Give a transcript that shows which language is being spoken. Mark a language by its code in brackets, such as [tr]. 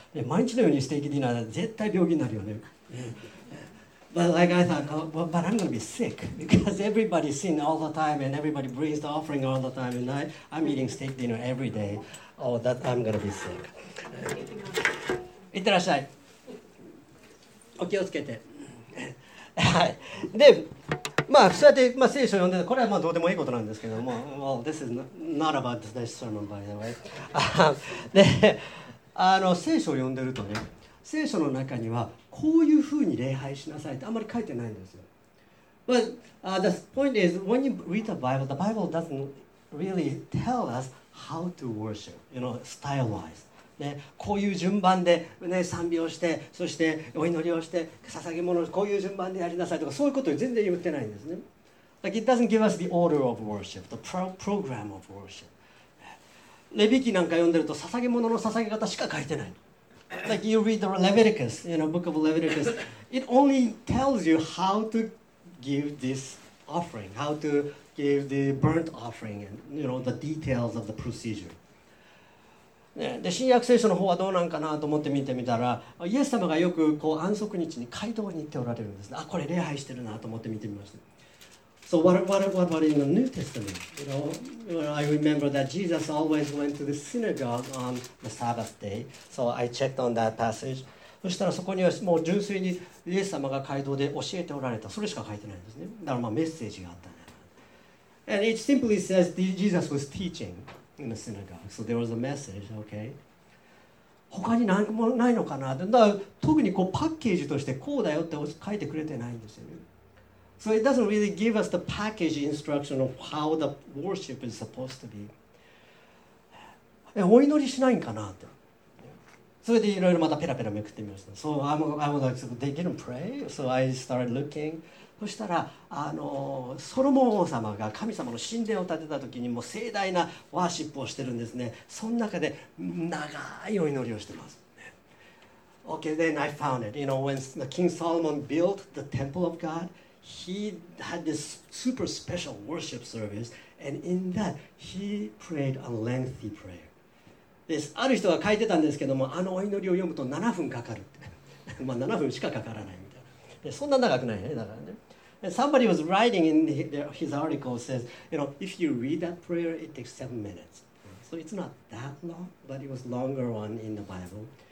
[ja] で毎日のようにステーキディナーで絶対病気になるよね。 [en] Yeah. But like I thought, but I'm gonna be sick because everybody sin all the time and everybody brings the offering all the time and I'm eating steak dinner every day. Oh, that I'm gonna be sick. [ja] いってらっしゃい。お気をつけて。はい、でまあそうやって、まあ、聖書を読んでこれはまあどうでもいいことなんですけども、 [en] Well, this is not about this sermon, by the way. [ja] で、あの聖書を読んでるとね、聖書の中にはこういうふうに礼拝しなさいってあんまり書いてないんですよ。 [en] But、the point is, when you read the Bible doesn't really tell us how to worship, you know, style-wise. [ja] ね、こういう順番で、ね、賛美をして、そしてお祈りをして捧げ物をこういう順番でやりなさいとか、そういうことを全然言ってないんですね。 [en] Like it doesn't give us the order of worship, the program of worship. [ja] レビ記なんか読んでると捧げ物の捧げ方しか書いてない。 [en] Like you read the Leviticus, you know, book of Leviticus, it only tells you how to give this offering, how to give the burnt offering and, you know, the details of the procedure [ja] ね、で新約聖書の方はどうなんかなと思って見てみたら、イエス様がよくこう安息日に街道に行っておられるんですね。あ、これ礼拝してるなと思って見てみました。 [en] So what in the New Testament, you know, I remember that Jesus always went to the synagogue on the Sabbath day. So I checked on that passage. [ja] そしたらそこにはもう純粋にイエス様が街道で教えておられた、それしか書いてないんですね。だからまあメッセージがあったね。 [en] And it simply says Jesus was teachingin the synagogue. So there was a message, okay? [ja] 他に何もないのかな。だから特にこうパッケージとしてこうだよって書いてくれてないんですよね。 [en] So it doesn't really give us the package instruction of how the worship is supposed to be. [ja] お祈りしないんかなって。それでいろいろまたペラペラめくってみました。 [en] So I'm going to begin to pray. So I started looking. [ja] そしたらあのソロモン王様が神様の神殿を建てた時にもう盛大なワーシップをしてるんですね。その中で長いお祈りをしてます。 [en] Okay, then I found it. You know, when the King Solomon built the temple of God, he had this super special worship service, and in that, he prayed a lengthy prayer. [ja] This, ある人が書いてたんですけども、あのお祈りを読むと7分かかるって。まあ7分しかかからないみたいな。そんな長くないね、だからね。 [en] And somebody was writing in his article says, you know, if you read that prayer, it takes 7 minutes. So it's not that long, but it was longer one in the Bible.